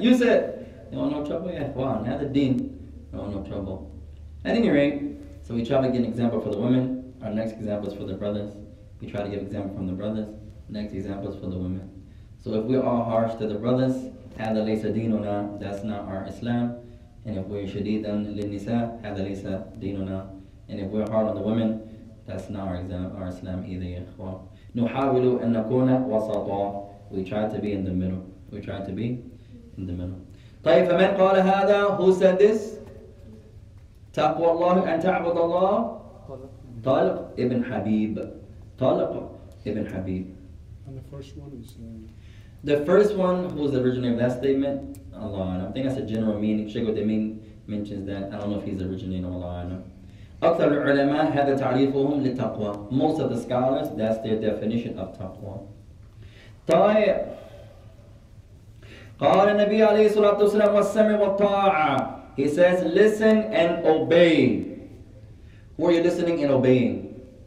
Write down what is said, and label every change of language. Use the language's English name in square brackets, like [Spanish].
[English] They want no trouble, yeah, Khwan. Now the deen, they want no trouble. At any rate, so we try to get an example for the women. Our next example is for the brothers. We try to give example from the brothers. Next example is for the women. So if we're all harsh to the brothers, [Arabic] هذا ليس ديننا, [English] that's not our Islam. And if we're [Arabic] شديدا للنساء, هذا ليس ديننا. [English] And if we're hard on the women, that's not our Islam either, ya ikhwan. [Arabic] نُحَاوِلُ أَن نَكُونَ وَسَطًا. [English] We try to be in the middle. We try to be in the middle. [Arabic] طيب فمن قال هذا? [English] Who said this? [Arabic] تَقْوَى اللَّهُ أَن تَعْبُدَ اللَّهُ طَلْق إِبْن حَبِيب. طَلْق إِبْن حَبِيب. [English] And the first one is... The first one was originally that statement, Allah. I think that's a general meaning. Sheikh Uthaymeen mentions that. I don't know if he's originating Allah. [Arabic] أكثر العلماء هذا تعريفهم للتقوى. [English] Most of the scholars, that's their definition of taqwa. [Arabic] طيب. قال النبي عليه الصلاة والسلام والسمع والطاعة. [English] He says, listen and obey. Who are you listening and obeying?